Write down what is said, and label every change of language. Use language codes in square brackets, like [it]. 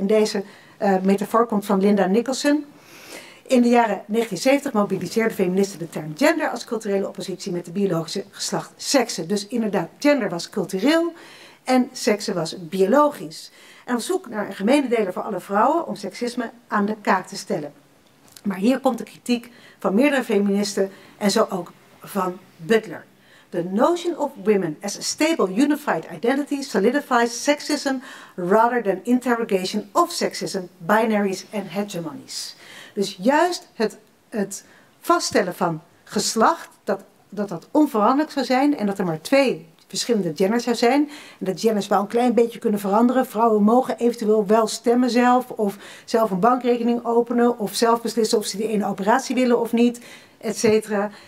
[nl] En deze metafoor komt van Linda Nicholson. In de jaren 1970 mobiliseerden feministen de term gender als culturele oppositie met de biologische geslacht seksen. Dus inderdaad, gender was cultureel en seksen was biologisch. En op zoek naar een gemene deler voor alle vrouwen om seksisme aan de kaak te stellen. Maar hier komt de kritiek van meerdere feministen en zo ook van Butler. [en] The notion of women as a stable unified identity solidifies sexism rather than interrogation of sexism, binaries en hegemonies. [nl] Dus juist het vaststellen van geslacht, dat onveranderlijk zou zijn en dat er maar twee verschillende genders zou zijn. En dat genders wel een klein beetje kunnen veranderen. Vrouwen mogen eventueel wel stemmen zelf of zelf een bankrekening openen of zelf beslissen of ze die ene operatie willen of niet, et cetera.